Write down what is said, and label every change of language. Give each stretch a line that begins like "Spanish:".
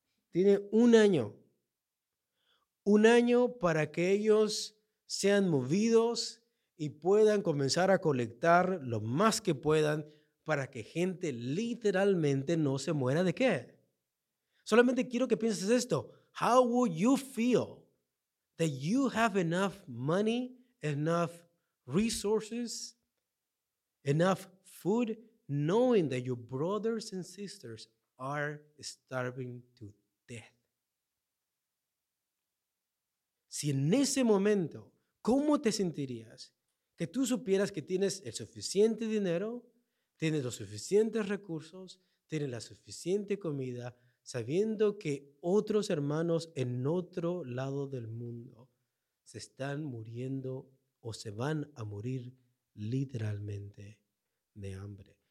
Spanish: Tiene un año para que ellos sean movidos y puedan comenzar a colectar lo más que puedan para que gente literalmente no se muera de qué. Solamente quiero que pienses esto.
English: How would you feel that you have enough money, enough resources, enough food, knowing that your brothers and sisters are starving to death?
Spanish: Si en ese momento, ¿cómo te sentirías que tú supieras que tienes el suficiente dinero, tienes los suficientes recursos, tienes la suficiente comida, sabiendo que otros hermanos en otro lado del mundo se están muriendo o se van a morir literalmente de hambre?